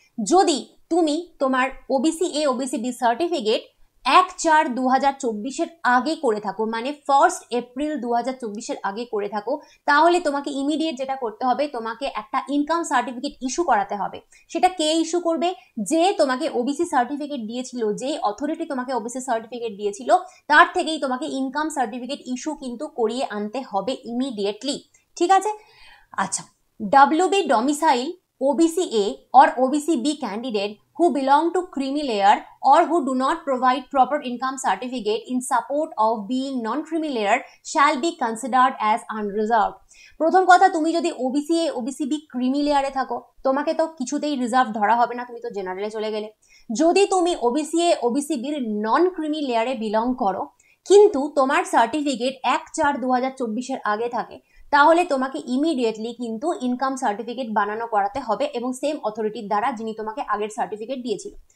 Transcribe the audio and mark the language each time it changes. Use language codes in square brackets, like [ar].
[bn] যদি তুমি তোমার OBC A OBC B certificate 1/4/2024 আগে করে থাকো, মানে 1/1/2024 আগে করে থাকো, তাহলে তোমাকে ইমিডিয়েট যেটা করতে হবে, তোমাকে একটা ইনকাম সার্টিফিকেট ইস্যু করাতে হবে। সেটা কে ইস্যু করবে? যে তোমাকে OBC সার্টিফিকেট দিয়েছিল, যে অথরিটি তোমাকে OBC সার্টিফিকেট দিয়েছিল, তার থেকেই তোমাকে ইনকাম সার্টিফিকেট ইস্যু কিন্তু করিয়ে আনতে হবে ইমিডিয়েটলি, ঠিক আছে? আচ্ছা, WB domicile OBC A আর OBC B candidate [en] who belong to creamy layer or who do not provide proper income certificate in support of being non-creamy layer shall be considered as unreserved. [bn] প্রথম কথা, তুমি যদি OBC OBC B creamy লেয়ারে থাকো, তোমাকে তো কিছুতেই reserve ধরা হবে না, তুমি তো জেনারেলে চলে গেলে। যদি তুমি ওবিসি ওবিসিবির নন ক্রিমি লেয়ারে বিলং করো কিন্তু তোমার সার্টিফিকেট 1/4/2024 আগে থাকে, তাহলে তোমাকে ইমিডিয়েটলি কিন্তু ইনকাম সার্টিফিকেট বানানো করাতে হবে এবং সেম অথরিটির দ্বারা যিনি তোমাকে আগের সার্টিফিকেট দিয়েছিল।